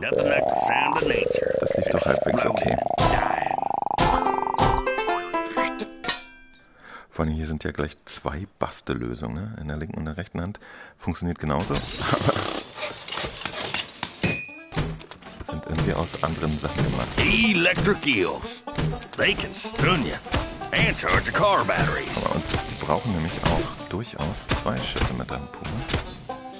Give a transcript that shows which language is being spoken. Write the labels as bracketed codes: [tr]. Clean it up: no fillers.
[de] Das lief doch halbwegs okay. Vor allem hier sind ja gleich zwei Bastellösungen, ne? In der linken und der rechten Hand. Funktioniert genauso, aber sind irgendwie aus anderen Sachen gemacht. [en] Electric Eels. They can stun you and charge the car batteries. [de] Aber und die brauchen nämlich auch durchaus zwei Schüsse mit einem Puma.